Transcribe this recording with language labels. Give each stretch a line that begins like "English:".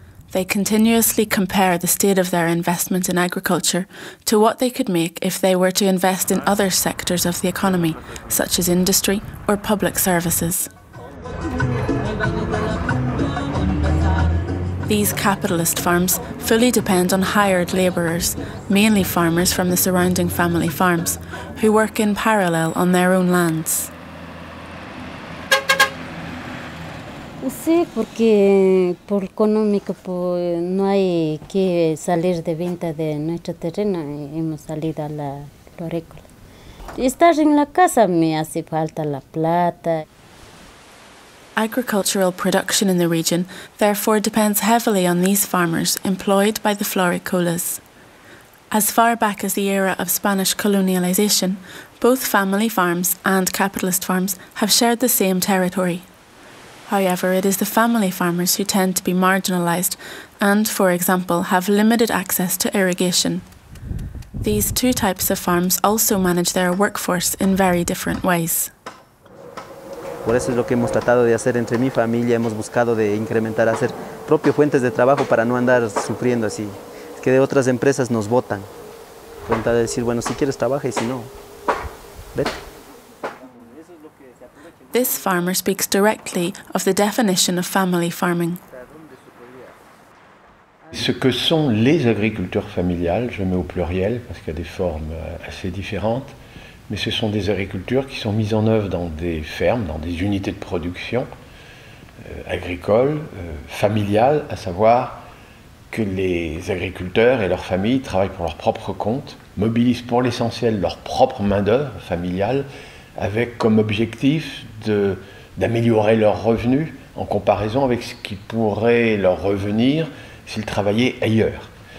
English: They continuously compare the state of their investment in agriculture to what they could make if they were to invest in other sectors of the economy, such as industry or public services. These capitalist farms fully depend on hired labourers, mainly farmers from the surrounding family farms, who work in parallel on their own lands.
Spanish: Sí, porque por económico pues, no hay que salir de venta de nuestro terreno, hemos salido a la florícola. Estar en la casa me hace falta la plata.
English: Agricultural production in the region therefore depends heavily on these farmers employed by the florícolas. As far back as the era of Spanish colonialization, both family farms and capitalist farms have shared the same territory. However, it is the family farmers who tend to be marginalised and, for example, have limited access to irrigation. These two types of farms also manage their workforce in very different ways.
Spanish: Por eso es lo que hemos tratado de hacer entre mi familia, hemos buscado de incrementar, hacer propias fuentes de trabajo para no andar sufriendo así. Es que de otras empresas nos botan. Cuenta de decir, bueno, si quieres trabaja y si no, vete.
English: This farmer speaks directly of the definition of family farming.
French: Ce que sont les agriculteurs familiales, je mets au pluriel parce qu'il y a des formes assez différentes, mais ce sont des agricultures qui sont mises en œuvre dans des fermes, dans des unités de production agricoles, familiales, à savoir que les agriculteurs et leurs familles travaillent pour leur propre compte, mobilisent pour l'essentiel leur propre main-d'œuvre familiale, avec comme objectif d'améliorer leurs revenus en comparaison avec ce qui pourrait leur revenir s'ils travaillaient ailleurs.